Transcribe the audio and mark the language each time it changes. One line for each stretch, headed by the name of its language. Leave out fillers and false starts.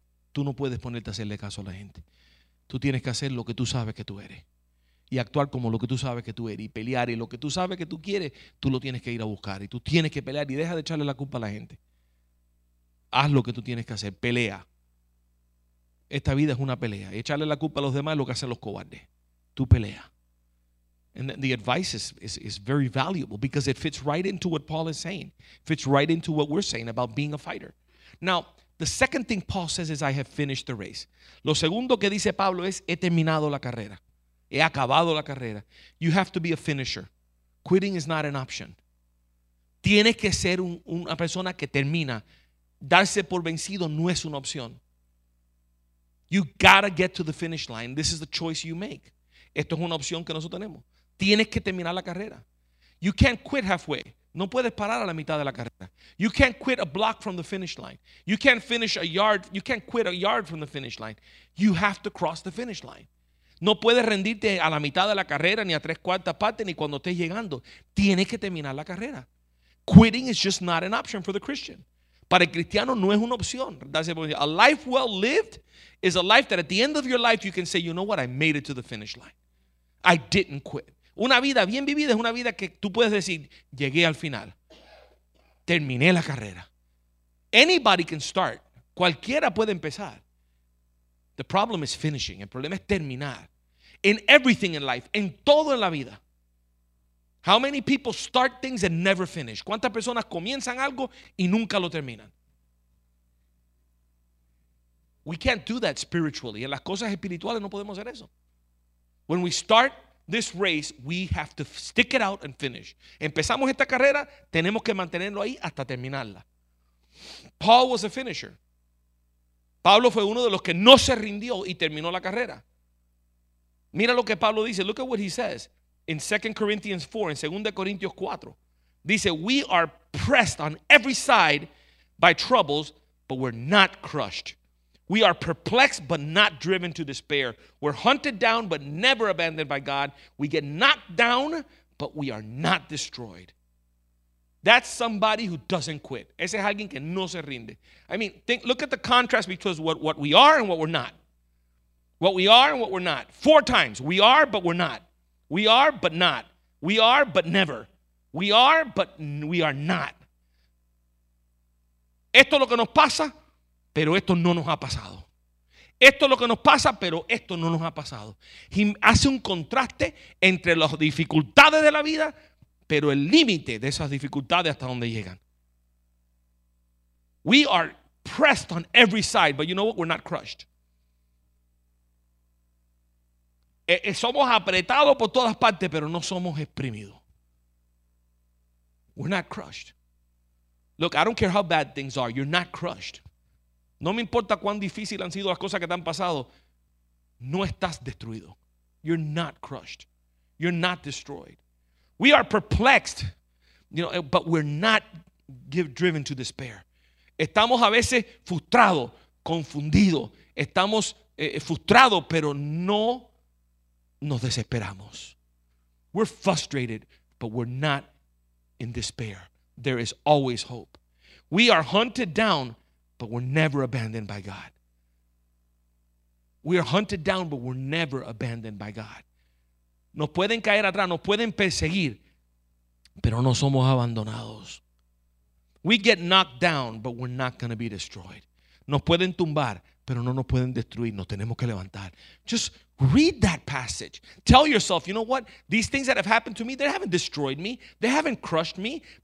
Spanish: Tú no puedes ponerte a hacerle caso a la gente. Tú tienes que hacer lo que tú sabes que tú eres y actuar como lo que tú sabes que tú eres y pelear, y lo que tú sabes que tú quieres, tú lo tienes que ir a buscar, y tú tienes que pelear y deja de echarle la culpa a la gente. Haz lo que tú tienes que hacer, pelea. Esta vida es una pelea. Echarle la culpa a los demás es lo que hacen los cobardes. Tú pelea.
English: And the advice is very valuable because it fits right into what Paul is saying. Fits right into what we're saying about being a fighter. Now, the second thing Paul says is, I have finished the race.
Spanish: Lo segundo que dice Pablo es, he terminado la carrera. He acabado la carrera.
English: You have to be a finisher. Quitting is not an option.
Spanish: Tienes que ser una persona que termina. Darse por vencido no es una opción.
English: You gotta get to the finish line. This is the choice you make.
Spanish: Esto es una opción que nosotros tenemos. Tienes que terminar la carrera.
English: You can't quit halfway.
Spanish: No puedes parar a la mitad de la carrera.
English: You can't quit a block from the finish line. You can't finish a yard. You can't quit a yard from the finish line. You have to cross the finish line.
Spanish: No puedes rendirte a la mitad de la carrera, ni a tres cuartas partes, ni cuando estés llegando. Tienes que terminar la carrera.
English: Quitting is just not an option for the Christian.
Spanish: Para el cristiano no es una opción.
English: A life well lived is a life that at the end of your life you can say, you know what, I made it to the finish line. I didn't quit.
Spanish: Una vida bien vivida es una vida que tú puedes decir, llegué al final. Terminé la carrera.
English: Anybody can start.
Spanish: Cualquiera puede empezar.
English: The problem is finishing.
Spanish: El problema es terminar.
English: In everything in life,
Spanish: en todo en la vida.
English: How many people start things and never finish?
Spanish: ¿Cuántas personas comienzan algo y nunca lo terminan?
English: We can't do that spiritually.
Spanish: En las cosas espirituales no podemos hacer eso.
English: When we start this race, we have to stick it out and finish.
Spanish: Empezamos esta carrera, tenemos que mantenerlo ahí hasta terminarla.
English: Paul was a finisher.
Spanish: Pablo fue uno de los que no se rindió y terminó la carrera. Mira lo que Pablo dice.
English: Look at what he says. In 2 Corinthians 4, in 2 Corinthians 4, dice, we are pressed on every side by troubles, but we're not crushed. We are perplexed, but not driven to despair. We're hunted down, but never abandoned by God. We get knocked down, but we are not destroyed. That's somebody who doesn't quit.
Spanish: Ese es alguien que no se rinde.
English: I mean, look at the contrast between what we are and what we're not. What we are and what we're not. Four times, we are, but we're not. We are, but not. We are, but never. We are, but we are not.
Spanish: Esto es lo que nos pasa, pero esto no nos ha pasado. Esto es lo que nos pasa, pero esto no nos ha pasado. Y hace un contraste entre las dificultades de la vida, pero el límite de esas dificultades hasta donde llegan.
English: We are pressed on every side, but you know what? We're not crushed.
Spanish: Somos apretados por todas partes, pero no somos exprimidos.
English: We're not crushed. Look, I don't care how bad things are. You're not crushed.
Spanish: No me importa cuán difícil han sido las cosas que te han pasado. No estás destruido.
English: You're not crushed. You're not destroyed. We are perplexed, you know, but we're not driven to despair.
Spanish: Estamos a veces frustrados, confundidos. Estamos frustrados, pero no nos desesperamos.
English: We're frustrated, but we're not in despair. There is always hope. We are hunted down, but we're never abandoned by God. We are hunted down, but we're never abandoned by God.
Spanish: Nos pueden caer atrás, nos pueden perseguir, pero no somos abandonados.
English: We get knocked down, but we're not going to be destroyed.
Spanish: Nos pueden tumbar, pero no nos pueden destruir, nos tenemos que levantar.
English: Just read that passage. Tell yourself, you know what? These things that have happened to me, they haven't destroyed me. They haven't crushed me.